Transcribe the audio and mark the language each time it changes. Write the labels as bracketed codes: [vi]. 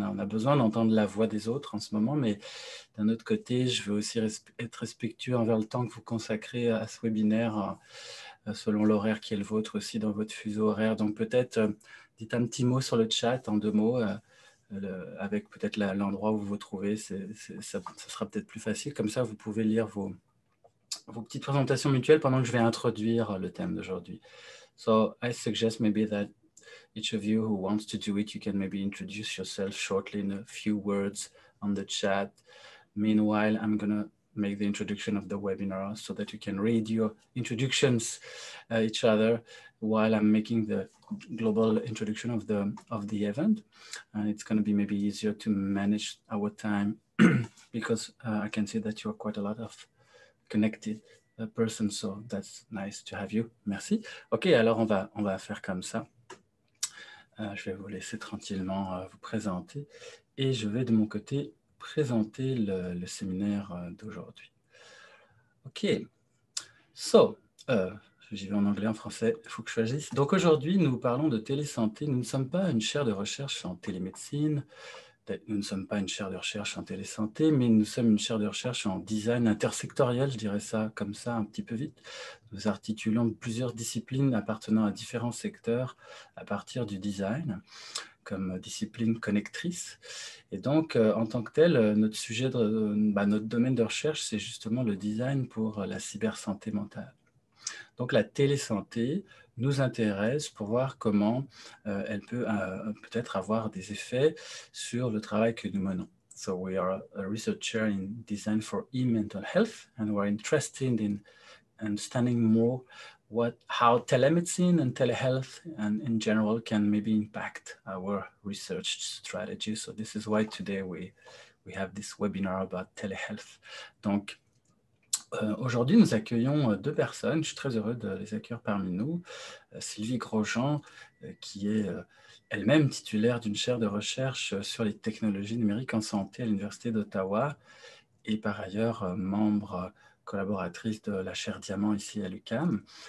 [fr] On a besoin d'entendre la voix des autres en ce moment, mais d'un autre côté, je veux aussi être respectueux envers le temps que vous consacrez à ce webinaire, selon l'horaire qui est le vôtre aussi dans votre fuseau horaire. Donc, peut-être, dites un petit mot sur le chat en 2 mots. Avec peut-être l'endroit où vous vous trouvez, ça sera peut-être plus facile. Comme ça, vous pouvez lire vos petites présentations mutuelles pendant que je vais introduire le thème d'aujourd'hui. [en] So, I suggest maybe that each of you who wants to do it, you can maybe introduce yourself shortly in a few words on the chat. Meanwhile, I'm going to make the introduction of the webinar so that you can read your introductions each other while I'm making the global introduction of the event, and it's going to be maybe easier to manage our time because I can see that you are quite a lot of connected persons, so that's nice to have you. [fr] Merci. Ok, alors on va faire comme ça. Je vais vous laisser tranquillement vous présenter et je vais de mon côté présenter le séminaire d'aujourd'hui. Ok, so, j'y vais en anglais, en français, il faut que je choisisse. Donc aujourd'hui, nous parlons de télésanté. Nous ne sommes pas une chaire de recherche en télémédecine, nous ne sommes pas une chaire de recherche en télésanté, mais nous sommes une chaire de recherche en design intersectoriel, je dirais ça comme ça un petit peu vite. Nous articulons plusieurs disciplines appartenant à différents secteurs à partir du design, comme discipline connectrice. Et donc, en tant que tel, notre sujet, notre domaine de recherche, c'est justement le design pour la cybersanté mentale. Donc, la télésanté nous intéresse pour voir comment elle peut peut-être avoir des effets sur le travail que nous menons. [en] So, we are a researcher in design for e-mental health, and we're interested in understanding more how telemedicine and telehealth and in general can maybe impact our research strategy. So this is why today we have this webinar about telehealth. Donc, [fr] Aujourd'hui, nous accueillons deux personnes. Je suis très heureux de les accueillir parmi nous. Sylvie Grosjean, qui est elle-même titulaire d'une chaire de recherche sur les technologies numériques en santé à l'Université d'Ottawa et par ailleurs membre collaboratrice de la chaire Diamant ici à l'UQAM.